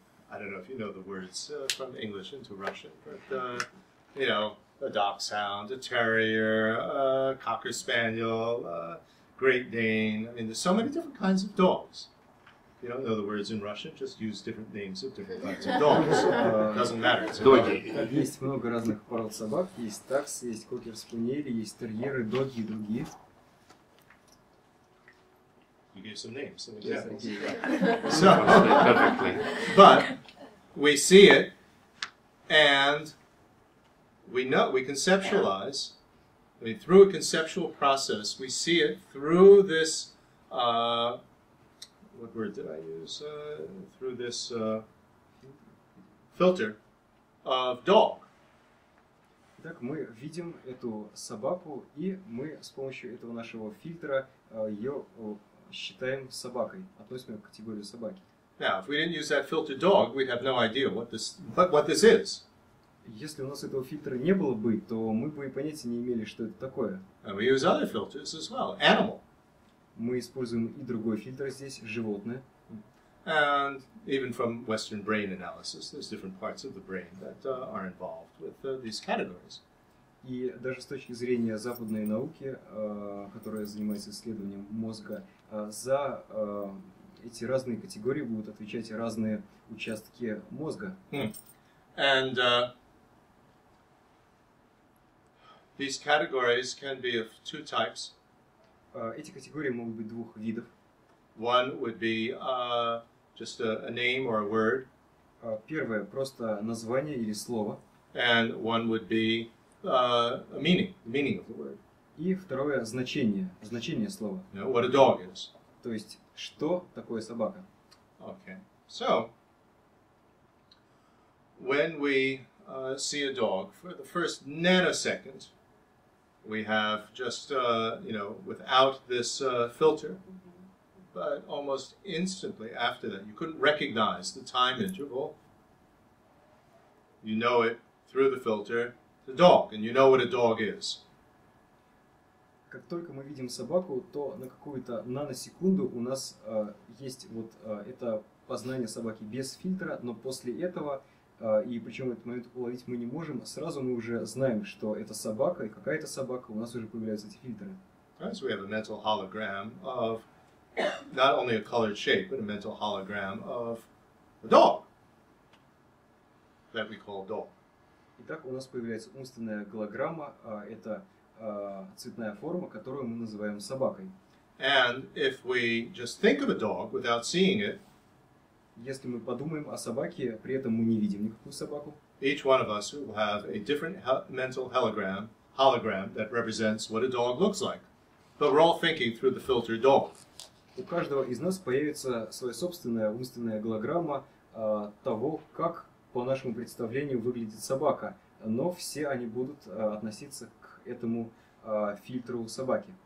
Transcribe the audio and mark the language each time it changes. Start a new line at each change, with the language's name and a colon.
English: I don't know if you know the words from English into Russian, but, you know, a dachshund, a terrier, a cocker spaniel, a great Dane. I mean, there's so many different kinds of dogs. If you don't know the words in Russian, just use different names of different types of dogs. It doesn't matter. It's a dog.
Russian: Есть много разных пород собак. Есть такс, есть кокер спаниели, есть терьеры, доги и другие.
English: You gave some names, some examples. Yes, perfectly. But we see it, and we know, we conceptualize. I mean, through a conceptual process, we see it through this. What word did I use? Through this filter of dog.
Russian: Итак, мы видим эту собаку, и мы с помощью этого нашего фильтра ее считаем собакой, относим ее к категории собаки.
English: Now, if we didn't use that filter dog, we'd have no idea what this is.
Russian: Если у нас этого фильтра не было бы, то мы бы и понятия не имели, что это такое.
English: And we use other filters as well, animal.
Russian: Мы используем и другой фильтр здесь, животное.
English: And even from Western brain analysis, there's different parts of the brain that are involved with these categories.
Russian: И даже с точки зрения западной науки, которая занимается исследованием мозга, за эти разные категории будут отвечать разные участки мозга.
English: And these categories can be of two types.
Russian: Эти категории могут быть двух видов.
English: One would be just a name or a word.
Russian: Первое просто название или слово.
English: And one would be a meaning, the meaning of the word.
Russian: И второе значение слова.
English: You know, what a dog is.
Russian: То есть, что такое собака?
English: Okay. So, when we see a dog for the first nanosecond, we have just, you know, without this filter, but almost instantly after that, you couldn't recognize the time interval. You know it through the filter, the dog, and you know what a dog is.
Russian: Как только мы видим собаку, то на какую-то наносекунду у нас есть вот это познание собаки без фильтра, но после этого, и причем этот момент уловить мы не можем, сразу мы уже знаем, что это собака, и какая это собака, у нас уже появляются эти фильтры.
English: Right, so we have a mental hologram of not only a colored shape, but a mental hologram of a dog that we call dog.
Russian: Итак, у нас появляется умственная голограмма, это цветная форма, которую мы называем собакой.
English: And if we just think of a dog without seeing it,
Russian: если мы подумаем о собаке, при этом мы не видим никакую собаку,
English: each one of us will have a different mental hologram that represents what a dog looks like. But we're all thinking through the filter dog.
Russian: У каждого из нас появится своя собственная умственная голограмма того, как по нашему представлению выглядит собака, но все они будут относиться к этому фильтру собаки.